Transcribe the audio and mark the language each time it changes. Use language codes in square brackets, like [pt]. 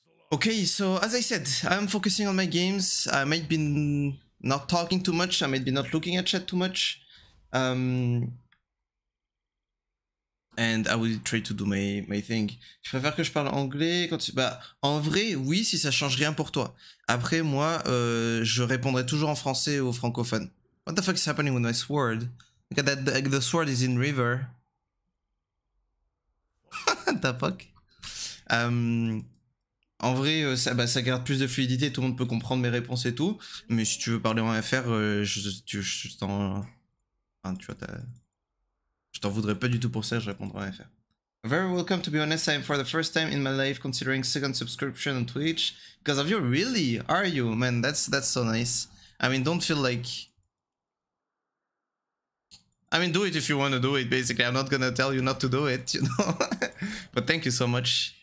[en] Okay, so as I said, I'm focusing on my games. I might be not talking too much. I might be not looking at chat too much. And I will try to do my thing. [fr] Je préfère que je parle anglais quand tu... Bah, en vrai, oui, si ça change rien pour toi. Après, moi, je répondrai toujours en français aux francophones. [en] What the fuck is happening with my sword? Look at that, the sword is in river. The fuck? [fr] En vrai, ça garde plus de fluidité, tout le monde peut comprendre mes réponses et tout. Mais si tu veux parler en FR, je t'en. Enfin, tu vois, je t'en voudrais pas du tout pour ça, je répondrai en FR. [en] Very welcome, to be honest, I'm for the first time in my life considering second subscription on Twitch. Because of you, really? Are you? Man, that's so nice. I mean, don't feel like. I mean, do it if you want to do it, basically. I'm not gonna tell you not to do it, you know? But thank you so much.